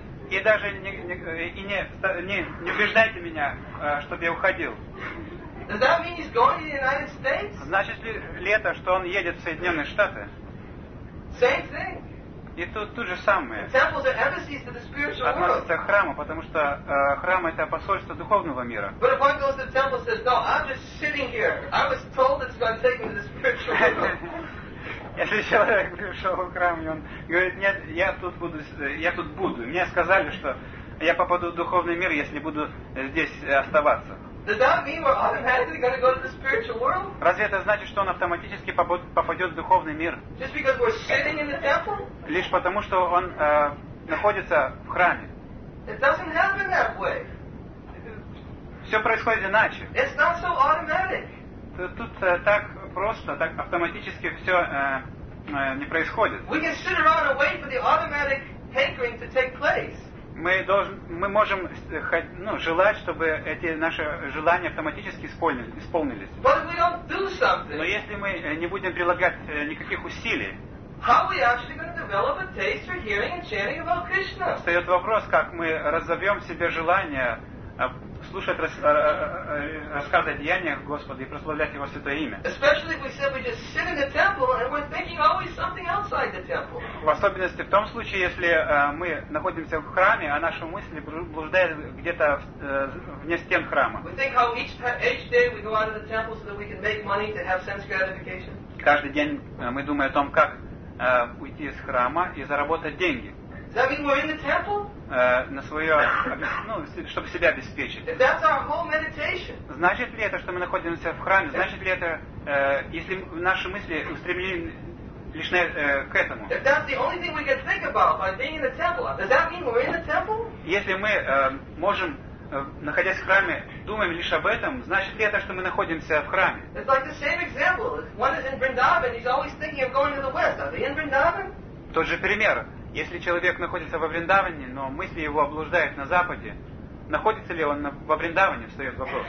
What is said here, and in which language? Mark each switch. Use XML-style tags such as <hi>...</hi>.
<ru>И даже не убеждайте меня, чтобы я уходил.</ru> <en>Does that mean he's going to the United States?</en> <ru>Значит ли это, что он едет в Соединенные Штаты?</ru> <en>Same thing.</en> <ru>И тут же самое.</ru> <en>The temples are embassies to the spiritual world.</en> <ru>Относится к храму, потому что храм это посольство духовного мира.</ru> <en>But if one goes to the temple and says, no, I'm just sitting here. I was told it's going to take me to the spiritual world.</en> <ru>Если человек пришел в храм, и он говорит, нет, я тут буду. Мне сказали, что я попаду в духовный мир, если буду здесь оставаться.</ru> <en>Does that mean we're automatically going to go to the spiritual world?</en> <ru>Разве это значит, что он автоматически попадет в духовный мир?</ru> <en>Just because we're sitting in the temple?</en> <ru>Лишь потому, что он находится в храме.</ru> <en>It doesn't happen that way.</en> <ru>Все происходит иначе.</ru> <en>It's not so automatic.</en> <ru>Тут так просто, так автоматически все не происходит.</ru> <en>We can sit around and wait for the automatic hankering to take place.</en> <ru>Мы можем желать, чтобы эти наши желания автоматически исполнились.</ru> <en>But if we don't do something,</en> <ru>но если мы не будем прилагать никаких усилий,</ru> <en>how are we actually going to develop a taste for hearing and chanting about Krishna?</en> <ru>Встает вопрос, как мы разовьем в себе желание слушать рассказы о деяниях Господа и прославлять Его Святое Имя.</ru> <en>Especially if we said we just sit in the temple and we're thinking always something outside the temple.</en> <ru>В особенности в том случае, если мы находимся в храме, а наши мысли блуждают где-то вне стен храма.</ru> <en>We think how each day we go out of the temple so that we can make money to have sense gratification.</en> <ru>Каждый день мы думаем о том, как уйти из храма и заработать деньги.</ru> <en>Does that mean we're in the temple?</en> <ru>На свое, чтобы себя обеспечить.</ru> <en>If that's our whole meditation.</en> <ru>Значит ли это, что мы находимся в храме? Значит ли это, если наши мысли устремлены лишь к этому?</ru> <en>If that's the only thing we can think about by being in the temple, does that mean we're in the temple?</en> <ru>Если мы можем, находясь в храме, думаем лишь об этом, значит ли это, что мы находимся в храме?</ru> <en>It's like the same example. If one is in Vrindavan, he's always thinking of going to the west. Are they in Vrindavan?</en> <ru>Тот же пример. Если человек находится во Вриндаване, но мысли его облуждают на Западе, находится ли он во Вриндаване, встает вопрос.</ru>